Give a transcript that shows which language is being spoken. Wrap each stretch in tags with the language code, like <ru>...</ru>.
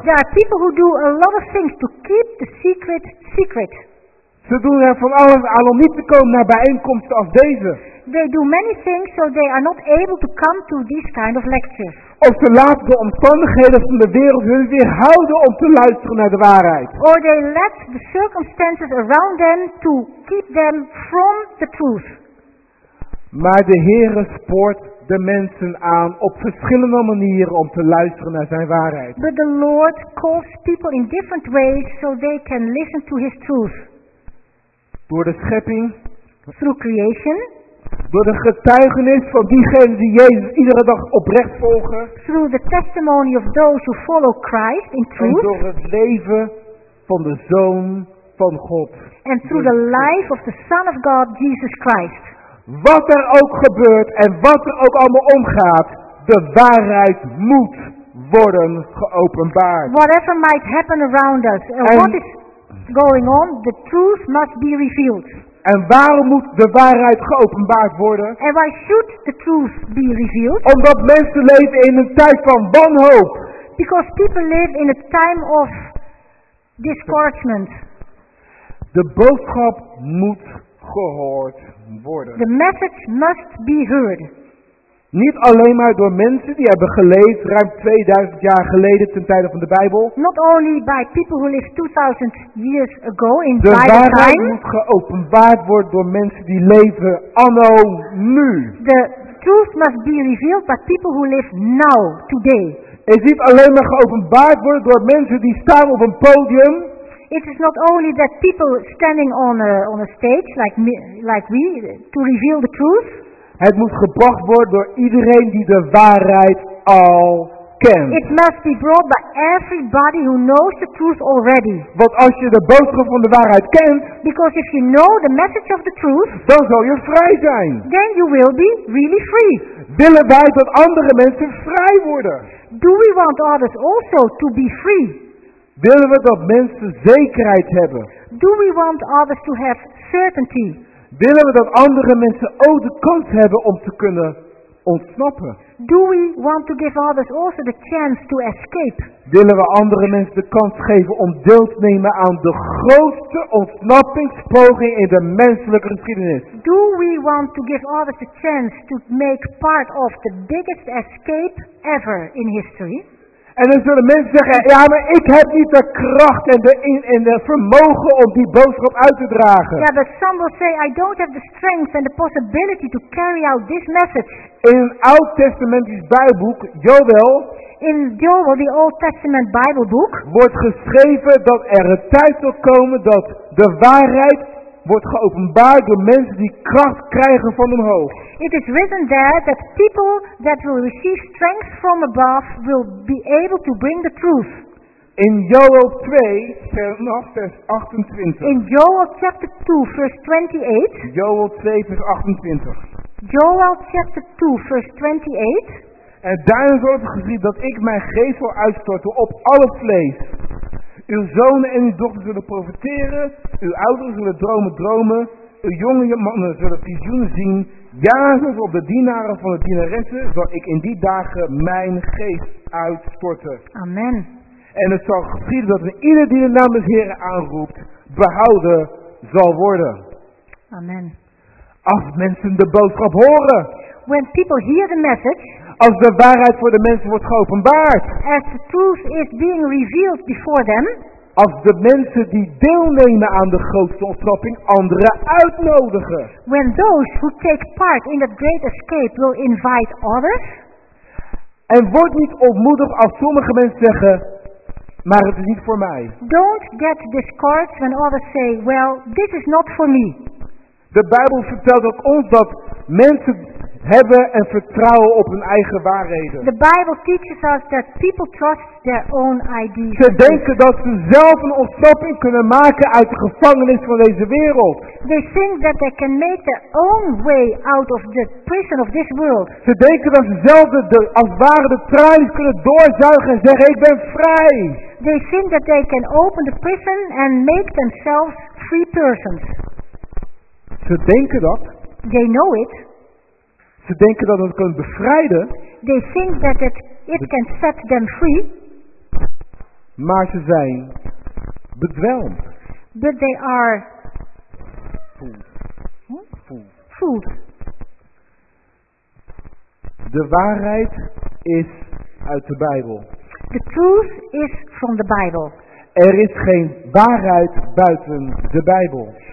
<en>There are people who do a lot of things to keep the secret secret.</en> <nl>Ze doen er van alles aan om niet te komen naar bijeenkomsten als deze.</nl> <en>They do many things so they are not able to come to these kind of lectures.</en> <nl>Of ze laten de omstandigheden van de wereld hun weerhouden om te luisteren naar de waarheid.</nl> <en>Or they let the circumstances around them to keep them from the truth.</en> <nl>Maar de Heere spoort de mensen aan op verschillende manieren om te luisteren naar zijn waarheid.</nl> <en>But the Lord calls people in different ways so they can listen to his truth.</en> <nl>Door de schepping.</nl> <en>Through creation.</en> <nl>Door de getuigenis van diegenen die Jezus iedere dag oprecht volgen.</nl> <en>Through the testimony of those who follow Christ in truth.</en> <nl>En door het leven van de Zoon van God.</nl> <en>And through the life of the Son of God, Jesus Christ.</en> <nl>Wat er ook gebeurt en wat er ook allemaal omgaat, de waarheid moet worden geopenbaard.</nl> <en>Whatever might happen around us, what is going on, the truth must be revealed.</en> <nl>En waarom moet de waarheid geopenbaard worden?</nl> <en>And why should the truth be revealed?</en> <nl>Omdat mensen leven in een tijd van wanhoop.</nl> <en>Because people live in a time of discouragement.</en> <nl>De boodschap moet gehoord worden.</nl> <en>The message must be heard.</en> <nl>Niet alleen maar door mensen die hebben geleefd ruim 2000 jaar geleden ten tijde van de Bijbel.</nl> <en>Not only by people who lived 2000 years ago in de Bible time.</en> <nl>De waarheid moet geopenbaard worden door mensen die leven anno nu.</nl> <en>The truth must be revealed by people who live now, today.</en> <nl>Het is niet alleen maar geopenbaard worden door mensen die staan op een podium.</nl> <en>It is not only that people standing on a stage like we to reveal the truth.</en> <nl>Het moet gebracht worden door iedereen die de waarheid al kent.</nl> <en>It must be brought by everybody who knows the truth already.</en> <nl>Want als je de boodschap van de waarheid kent,</nl> <en>because if you know the message of the truth,</en> <nl>dan zal je vrij zijn.</nl> <en>Then you will be really free.</en> <nl>Willen wij dat andere mensen vrij worden?</nl> <en>Do we want others also to be free?</en> <nl>Willen we dat mensen zekerheid hebben?</nl> <en>Do we want others to have certainty?</en> <nl>Willen we dat andere mensen ook de kans hebben om te kunnen ontsnappen?</nl> <en>Do we want to give others also the chance to escape?</en> <nl>Willen we andere mensen de kans geven om deel te nemen aan de grootste ontsnappingspoging in de menselijke geschiedenis?</nl> <en>Do we want to give others the chance to make part of the biggest escape ever in history?</en> <nl>En dan zullen mensen zeggen, ja, maar ik heb niet de kracht en de vermogen om die boodschap uit te dragen.</nl> <en>Yeah, but some will say, I don't have the strength and the possibility to carry out this message.</en> <nl>In het Oud Testamentisch Bijbelboek, Joël.</nl> <en>In Joël, the Old Testament Bible book.</en> <nl>Wordt geschreven dat er een tijd zal komen dat de waarheid wordt geopenbaard door mensen die kracht krijgen van omhoog.</nl> <en>It is written there that people that will receive strength from above will be able to bring the truth.</en> <nl>In Joel 2, vers 28.</nl> <en>In Joel chapter 2, verse 28.</en> <nl>Joel 2, vers 28.</nl> <en>Joel chapter 2, verse 28.</en> <nl>En daarin wordt geschreven dat ik mijn geest zal uitstorten op alle vlees. Uw zonen en uw dochters zullen profeteren. Uw ouders zullen dromen. Uw jonge mannen zullen visioenen zien. Ja, zoals op de dienaren van de dienaressen zal ik in die dagen mijn geest uitstorten. Amen. En het zal geschieden dat een ieder die de naam des Heren aanroept, behouden zal worden. Amen. Als mensen de boodschap horen.</nl> <en>When people hear the message.</en> <nl>Als de waarheid voor de mensen wordt geopenbaard.</nl> <en>As the truth is being revealed before them.</en> <nl>Als de mensen die deelnemen aan de grootste ontsnapping anderen uitnodigen.</nl> <en>When those who take part in that great escape will invite others.</en> <nl>En word niet ontmoedig als sommige mensen zeggen, maar het is niet voor mij.</nl> <en>Don't get discouraged when others say, well, this is not for me.</en> <nl>De Bijbel vertelt ook ons dat mensen hebben en vertrouwen op hun eigen waarheden.</nl> <en>The Bible teaches us that people trust their own ideas.</en> <nl>Ze denken dat ze zelf een ontsnapping kunnen maken uit de gevangenis van deze wereld.</nl> <en>They think that they can make their own way out of the prison of this world.</en> <nl>Ze denken dat ze zelf als ware de tralies kunnen doorzuigen en zeggen, ik ben vrij.</nl> <en>They think that they can open the prison and make themselves free persons.</en> <nl>Ze denken dat.</nl> <en>They know it.</en> <nl>Ze denken dat het kan bevrijden.</nl> <en>They think that it can set them free.</en> <nl>Maar ze zijn bedwelmd.</nl> <en>But they are voelt.</en> <nl>De waarheid is uit de Bijbel.</nl> <en>The truth is from the Bible.</en> <nl>Er is geen waarheid buiten de Bijbel.</nl>